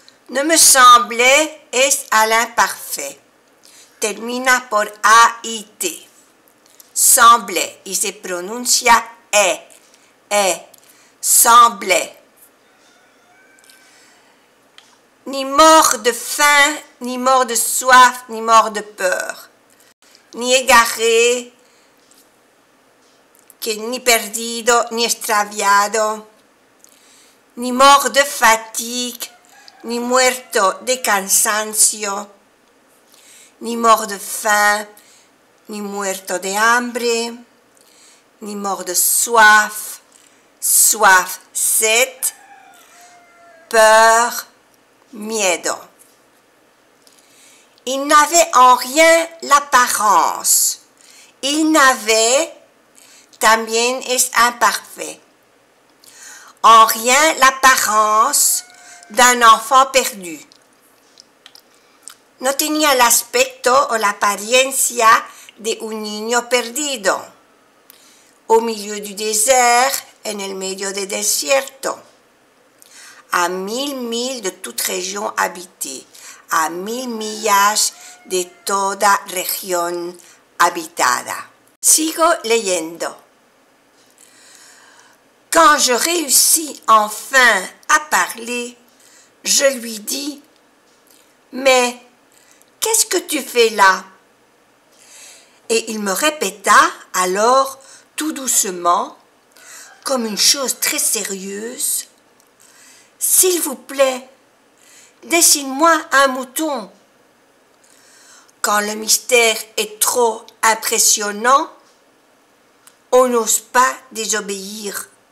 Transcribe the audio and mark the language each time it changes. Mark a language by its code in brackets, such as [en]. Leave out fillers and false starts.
[fr] Ne me semblait [es] es à l'imparfait. Termina por A-I-T. Semblait, y se pronuncia E, E, semblait. [fr] Ni mort de faim, ni mort de soif, ni mort de peur. [es] Ni égaré, que ni perdido, ni extraviado. [fr] Ni mort de fatigue, [es] ni muerto de cansancio. [fr] Ni mort de faim, [es] ni muerto de hambre. [fr] Ni mort de soif, soif, sed. Peur. Miedo. Il n'avait en rien l'apparence. Il n'avait, también es imparfait, en rien l'apparence d'un enfant perdu. [es] No tenía el aspecto o la apariencia de un niño perdido. [fr] Au milieu du désert, [es] en el medio del desierto. [fr] A mil milles de toute région habitée. [es] A mil millas de toda región habitada. Sigo leyendo. [fr] Quand je réussis enfin à parler, je lui dis « Mais qu'est-ce que tu fais là ?» Et il me répéta alors tout doucement, comme une chose très sérieuse, « S'il vous plaît, dessine-moi un mouton. » Quand le mystère est trop impressionnant, on n'ose pas désobéir.